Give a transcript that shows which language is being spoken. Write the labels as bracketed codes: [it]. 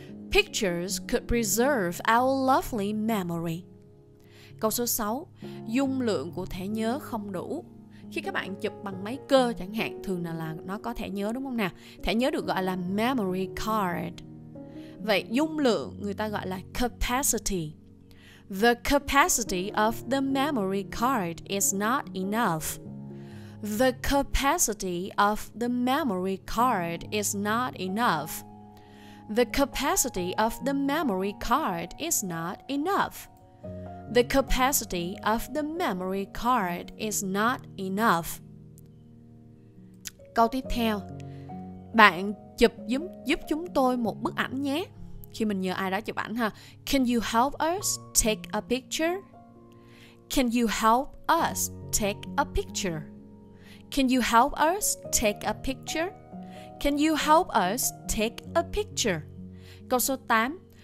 [en] Pictures could preserve our lovely memory. [vi] Câu số 6. Dung lượng của thẻ nhớ không đủ. Khi các bạn chụp bằng máy cơ chẳng hạn, thường là nó có thẻ nhớ đúng không nào? Thẻ nhớ được gọi là memory card. Vậy dung lượng người ta gọi là capacity. [en] The capacity of the memory card is not enough. The capacity of the memory card is not enough. The capacity of the memory card is not enough. The capacity of the memory card is not enough. [vi] Câu tiếp theo. Bạn chụp giúp chúng tôi một bức ảnh nhé. Khi mình nhờ ai đó chụp ảnh ha. [en] Can you help us take a picture? Can you help us take a picture? Can you help us take a picture? Can you help us take a picture? [vi] Câu số 8.